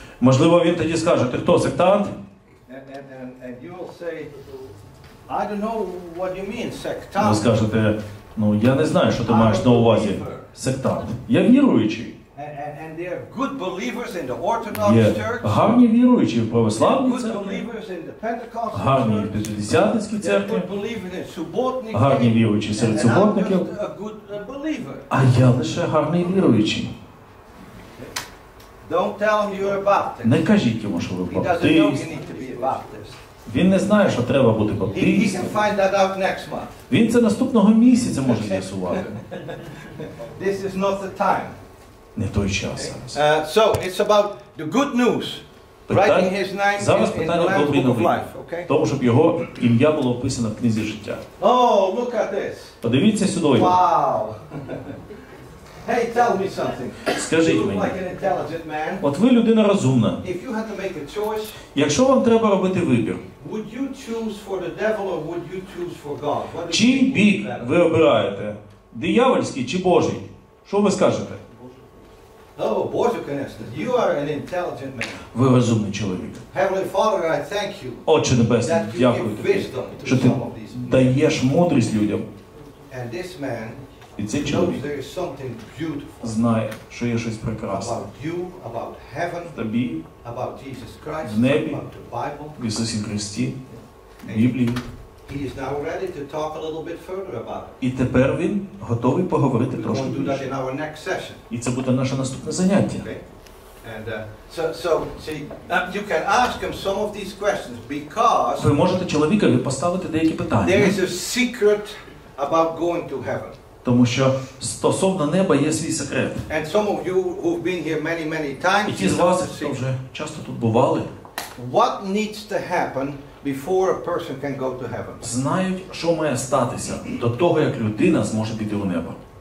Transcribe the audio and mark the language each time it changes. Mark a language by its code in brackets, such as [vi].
[uk] Можливо, Він тоді скаже, ти хто, сектант? [en] And you'll say, I don't know what you mean, sectant. [uk] Ви скажете, я не знаю, що ти маєш на увазі, сектант. Я віруючий. [en] And there are good believers in the Orthodox Church. [uk] Гарні віруючі в православній [en] церкві. Good believers in the Pentecostal Church. [uk] Гарні в п'ятидесятницькій церкві. [en] Good believers in суботники. [uk] Гарні віруючі серед суботників. [en] A good believer. [uk] А я лише гарний віруючий. [en] Don't tell him you're a Baptist. [uk] Не кажіть йому, що ви баптист. [en] He doesn't know you need to be a Baptist. [uk] Він не знає, що треба бути баптистом. Він це наступного місяця може з'ясувати. [en] This is not the time. [uk] Не той час. [en] So it's about the good news. Writing his name. [uk] Зараз питання про добрі новини. Тому, щоб його ім'я було описано в книзі життя. [en] Oh, look at this. [uk] Подивіться сюди. [en] Wow. Hey, tell me something. [uk] Скажіть мені. [en] Like an intelligent man. [uk] От ви людина розумна. [en] If you had to make a choice, [uk] якщо вам треба робити вибір, [en] would you choose for the devil or would you choose for God? [uk] Чий бік ви обираєте? Диявольський чи Божий? Що ви скажете? [en] Oh, [uk] Божий, конечно. [en] You are an intelligent man. [uk] Ви розумний чоловік. [en] Heavenly Father, I thank you. [uk] Отче Небесний, дякую тобі, що ти даєш мудрість людям. [en] And this man, [uk] і цей чоловік знає, що є щось прекрасне [en] about heaven, [uk] в тобі, [en] about Jesus Christ, [uk] в небі, [en] about the Bible, [uk] в Ісусі Христі, в Біблії. [en] He is now ready to talk a little bit further about it. [uk] І тепер він готовий поговорити [en] We [uk] трошки [en] do that in our next session. [uk] І це буде наше наступне заняття. [en] Okay. And so see, you can ask him some of these questions because [uk] ви можете чоловікові поставити деякі питання. [en] There is a secret about going to heaven. [uk] Тому що стосовно неба є свій секрет. [en] And some of you who've been here many times. [uk] І ті з вас, хто вже часто тут бували, [en] what needs to happen before a person can go to heaven? [uk] Знають, що має статися до того, як людина зможе піти у небо.